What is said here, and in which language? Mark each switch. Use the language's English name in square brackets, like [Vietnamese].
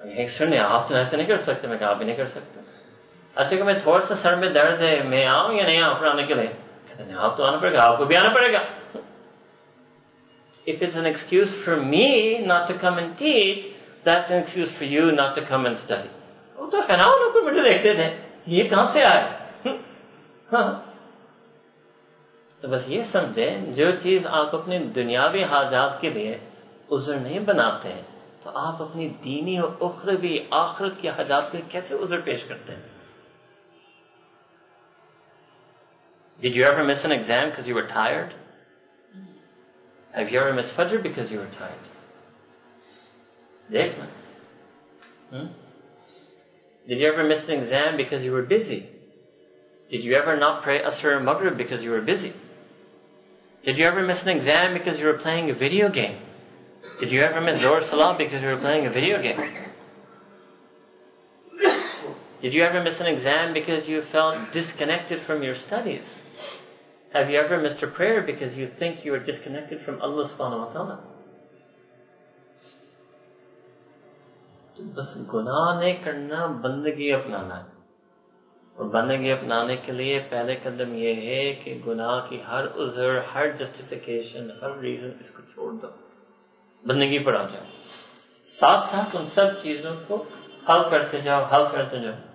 [Urdu] سر نے آپ تو ایسے نہیں کر سکتے, میں کہا آپ بھی نہیں کر سکتے. اچھا کہ میں تھوڑا سا سر میں درد ہے میں آؤں یا نہیں آؤں پڑھانے کے لیے؟ آپ تو آنا پڑے گا, آپ کو بھی آنا پڑے گا. [English] If it's an excuse for me not to come and teach, that's an excuse for you not to come and study. [Urdu] وہ تو کہنا ہوں کہ مجھے دیکھتے تھے یہ کہاں سے آئے. تو بس یہ سمجھیں, جو چیز آپ اپنے دنیاوی حاجات کے لیے عذر نہیں بناتے ہیں, تو آپ اپنی دینی اور اخروی آخرت کی حاجات کے لیے کیسے عذر پیش کرتے ہیں؟ [English] Did you ever miss an exam because you were tired? Have you ever missed Fajr because you were tired? Dekhna. Did you ever miss an exam because you were busy? Did you ever not pray Asr and Maghrib because you were busy? Did you ever miss an exam because you were playing a video game? Did you ever miss Zohar Salah because you were playing a video game? Did you ever miss an exam because you felt disconnected from your studies? Have you ever missed a prayer because you think you are disconnected from Allah subhanahu wa ta'ala? [Urdu] بس گناہ نہیں کرنا بندگی اپنانا ہے, اور بندگی اپنانے کے لیے پہلے قدم یہ ہے کہ گناہ کی ہر عذر ہر جسٹیفیکیشن ہر ریزن اس کو چھوڑ دو, بندگی پر آ جاؤ, ساتھ ساتھ ان سب چیزوں کو حل کرتے جاؤ حل کرتے جاؤ.